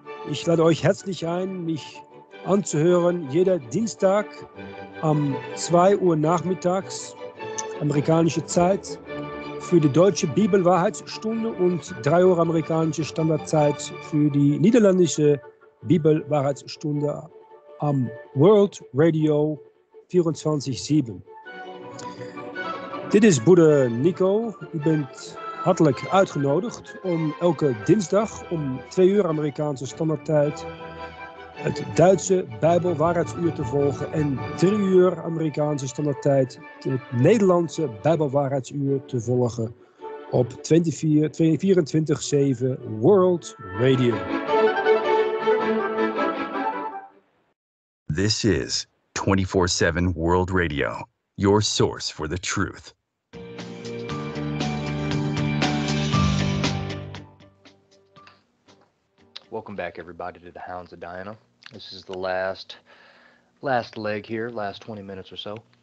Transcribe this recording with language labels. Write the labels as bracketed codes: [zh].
[de] Ich lade euch herzlich ein, mich anzuhören, jeder Dienstag um 2 Uhr nachmittags, amerikanische Zeit, für die deutsche Bibelwahrheitsstunde und 3 Uhr amerikanische Standardzeit für die niederländische Bibelwahrheitsstunde am World Radio 24/7. [nl] Dit is [de] Bruder Nico, ich bin [nl] hartelijk uitgenodigd om elke dinsdag om 2 uur Amerikaanse standaardtijd het Duitse Bijbelwaarheidsuur te volgen en 3 uur Amerikaanse standaardtijd het Nederlandse Bijbelwaarheidsuur te volgen op 24/7 World Radio. [en] This is 24/7 World Radio, your source for the truth. Welcome back, everybody, to the Hounds of Diana. This is the last leg here, last 20 minutes or so.